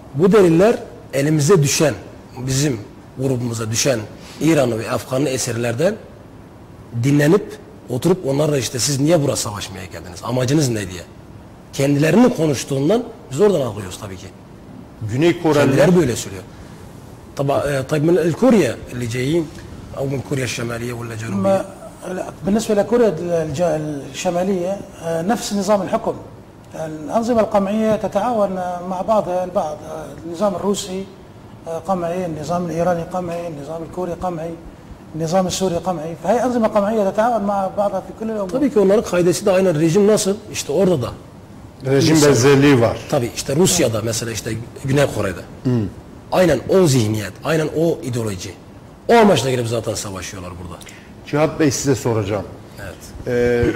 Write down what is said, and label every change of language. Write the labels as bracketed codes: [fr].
[tr] Bu deliller elimize düşen bizim grubumuza düşen İranlı ve Afganlı esirlerden dinlenip oturup onlarla işte siz niye buraya savaşmaya geldiniz? Amacınız ne diye. Kendilerini konuştuğundan biz oradan alıyoruz tabii ki. Güney Koreliler kendiler böyle söylüyor. [ar] Tabii el Kore اللي جايين او من كوريا الشماليه ولا جنوبيه. بالنسبه لكوريا الشماليه نفس نظام الحكم. الانظمه القمعيه تتعاون مع بعضها البعض. النظام الروسي قمعي، النظام الايراني قمعي، النظام الكوري قمعي، النظام السوري قمعي. فهي انظمه قمعيه تتعاون مع بعضها في كل الامور. [tr] طبيعي onların kaidesi de aynı rejim nasıl? İşte orada da rejim benzerliği var. Tabii işte Rusya'da mesela işte Güney Kore'de. Aynen o zihniyet, aynen o ideoloji. O amaçla gelip zaten savaşıyorlar burada. Cihat Bey size soracağım. Evet.